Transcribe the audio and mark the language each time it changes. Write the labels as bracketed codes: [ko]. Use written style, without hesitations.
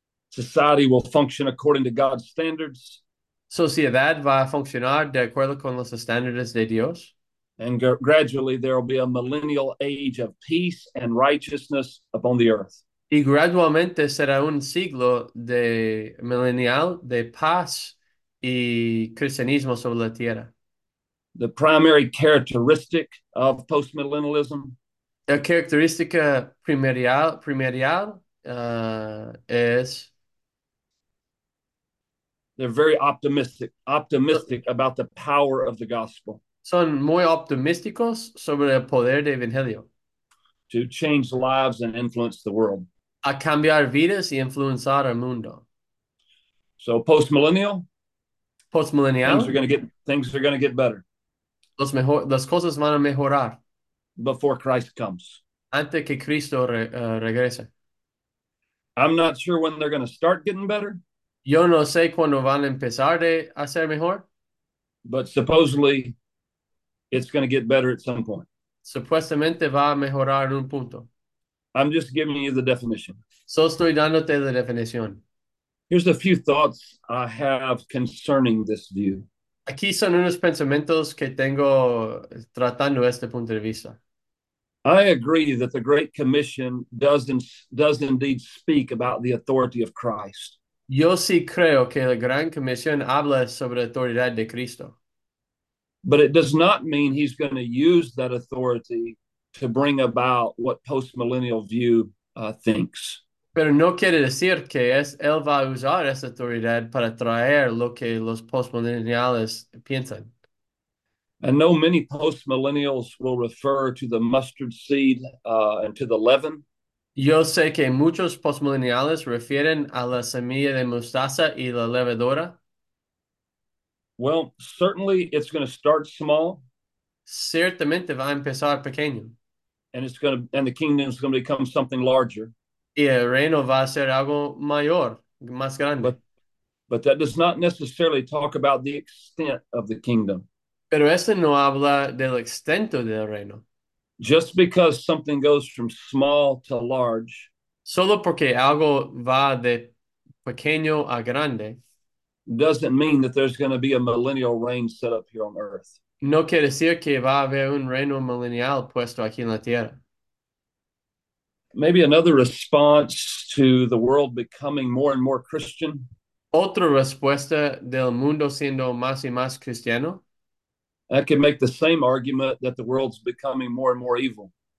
[en] Society will function according to God's standards [es] Sociedad va a funcionar de acuerdo con los estándares de Dios. [en] and gradually there will be a millennial age of peace and righteousness upon the earth. [es] Y gradualmente será un siglo de milenial de paz y cristianismo sobre la tierra. [en] The primary characteristic of postmillennialism [es] La característica primordial es [en] They're very optimistic about the power of the gospel [es] son muy optimísticos sobre el poder del Evangelio. [en] to change lives and influence the world. [es] A cambiar vidas y influenciar el mundo. [en] So postmillennial, [es] Postmillennial. [en] things are going to get better [es] Las cosas van a mejorar [en] before Christ comes. [es] antes que Cristo regrese. [en] I'm not sure when they're going to start getting better. [es] Yo no sé cuándo van a empezar de hacer mejor. [en] But supposedly, it's going to get better at some point. [es] Supuestamente va a mejorar en un punto. [en] I'm just giving you the definition. [es] Solo estoy dándote la definición. [en] Here's a few thoughts I have concerning this view. [es] Aquí son unos pensamientos que tengo tratando este punto de vista. [en] I agree that the Great Commission does indeed speak about the authority of Christ. [es] Yo sí creo que la Gran Comisión habla sobre la autoridad de Cristo. [en] But it does not mean he's going to use that authority to bring about what postmillennial view thinks. [es] Pero no quiere decir que él va a usar esa autoridad para traer lo que los postmillennials piensan. [en] I know many postmillennials will refer to the mustard seed and to the leaven. [es] Yo sé que muchos postmillennials refieren a la semilla de mostaza y la levadura. [en] Well, certainly it's going to start small, [es] Ciertamente va a empezar pequeño. [en] and the kingdom is going to become something larger. [es] Y el reino va a ser algo mayor, más grande. [en] But that does not necessarily talk about the extent of the kingdom. [es] Pero este no habla del extento del reino. [en] Just because something goes from small to large [es] Solo porque algo va de pequeño a grande, [en] doesn't mean that there's going to be a millennial reign set up here on earth. [es] no quiere decir que va a haber un reino milenial puesto aquí en la tierra. [en] Maybe another response to the world becoming more and more Christian. [es] Otra respuesta del mundo siendo más y más cristiano. [en] I can make the same argument that the world's becoming more and more evil.